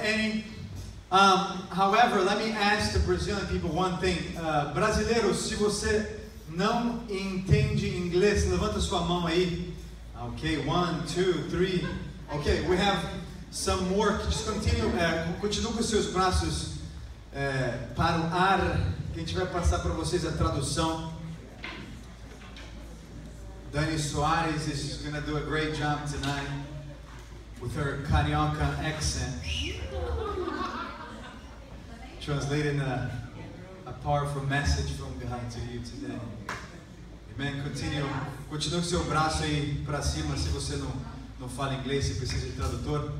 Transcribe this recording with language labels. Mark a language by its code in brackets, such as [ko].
[en] However, let me ask the Brazilian people one thing. [pt] Brasileiro, se você não entende inglês, levanta sua mão aí. [en] Okay, one, two, three. Okay, we have some more. Just continue [pt] com seus braços para o ar. A gente vai passar para vocês a tradução. [en] Dani Soares is going to do a great job tonight with her carioca accent. Translating a powerful message from behind to you today. Amen. Continue. [pt] Continue com seu braço aí para cima se você não fala inglês e precisa de tradutor.